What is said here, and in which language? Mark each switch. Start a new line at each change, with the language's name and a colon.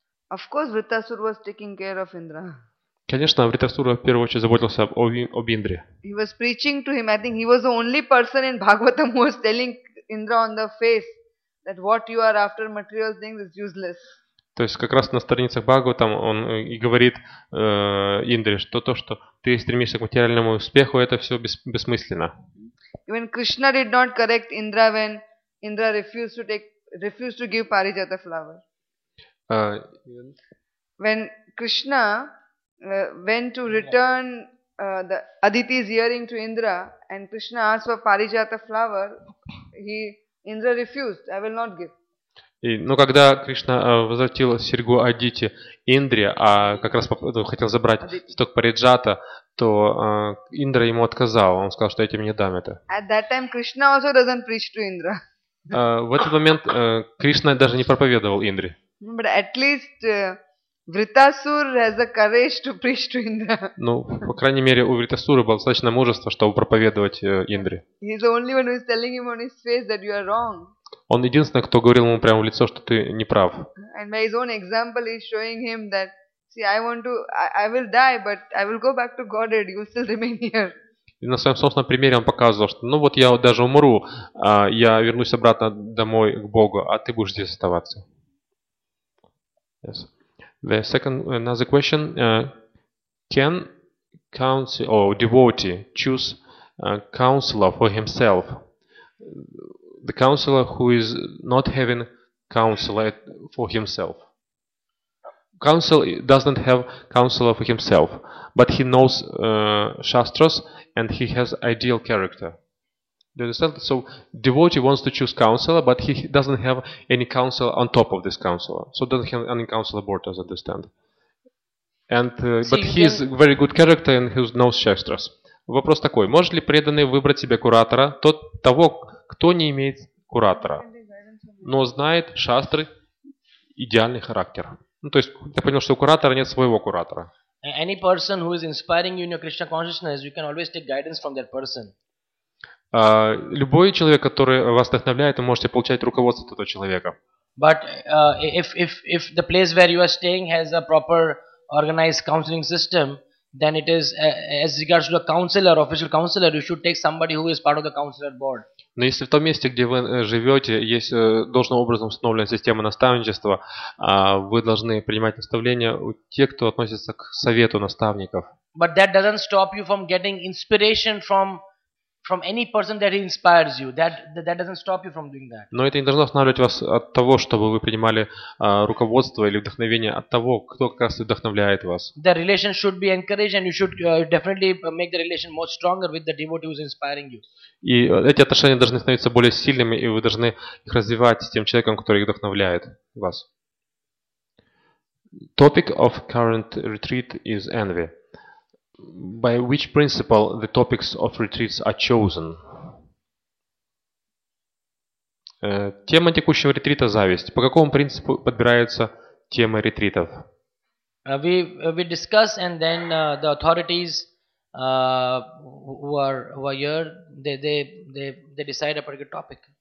English: Of course, Ritrasura was taking care of Indra.
Russian: Конечно, Ритрасура в первую очередь заботился об Индре.
English: He was preaching to him. I think he was the only person in Bhagavatam who was telling Indra on the face that what you are after material things is useless.
Russian: То есть как раз на страницах Бхагаватам он и говорит Индре, что то, что ты стремишься к материальному успеху, это все бессмысленно.
English: Even Krishna did not correct Indra when Indra refused to give Parijata flower. When Krishna went to return the Aditi's earring to Indra and Krishna asked for Parijata flower, Indra refused. I will not give.
Russian: Но когда Кришна возвратил серьгу Адити Индре, а как раз хотел забрать цветок Париджата, то Индра ему отказал. Он сказал, что я тебе не дам это.
English: At that time, Krishna also doesn't preach to Indra.
Russian: В этот момент Кришна даже не проповедовал Индре.
English: But at least Vritasur has the courage to preach to Indra.
Russian: Ну, по крайней мере, у Вритасуры было достаточно мужества, чтобы проповедовать Индре.
English: He's the only one who is telling him on his face that you are wrong.
Russian: Он единственный, кто говорил ему прямо в лицо, что ты не прав.
English: And my own example is showing him that, see, I will die, but I will go back to Godhead. You will still remain here.
Russian: И на своем собственном примере он показывал, что, ну вот я даже умру, я вернусь обратно домой к Богу, а ты будешь здесь оставаться.
English: Yes. The second another question: can counsel or devotee choose a counselor for himself? The counselor who is not having counselor for himself. Counsel doesn't have counselor for himself, but he knows Shastras and he has ideal character. Do you understand? So devotee wants to choose counselor, but he doesn't have any counselor on top of this counselor. So doesn't have any counselor board, as I understand. But he is very good character and he knows Shastras.
Russian: Вопрос такой: может ли преданный выбрать себе куратора, того, кто не имеет куратора, но знает шастры, идеальный характер? Ну, то есть я понял, что у куратора нет своего куратора.
English: Any person who is inspiring you in your Krishna consciousness, you can always take guidance from that person.
Russian: Любой человек, который вас вдохновляет, вы можете получать руководство от этого человека.
English: But if the place where you are staying has a proper organized counseling system, then it is as regards to a counselor, official counselor, you should take somebody who is part of the counselor board.
Russian: Но если в том месте, где вы живете, есть должным образом установлена система наставничества, вы должны принимать наставления у тех, кто относится к совету наставников.
English: But that doesn't stop you from getting inspiration from any person that inspires you. That doesn't stop you from doing that.
Russian: Но это не должно останавливать вас от того, чтобы вы принимали руководство или вдохновение от того, кто как раз вдохновляет вас.
English: The relation should be encouraged, and you should definitely make the relation more stronger with the devotee who is inspiring you.
Russian: И эти отношения должны становиться более сильными, и вы должны их развивать с тем человеком, который их вдохновляет вас.
English: Topic of current retreat is envy. By which principle the topics of retreats are chosen?
Russian: Тема текущего ретрита — зависть. По какому принципу подбираются темы ретритов?
English: We discuss, and then the authorities who are here, they decide a particular topic.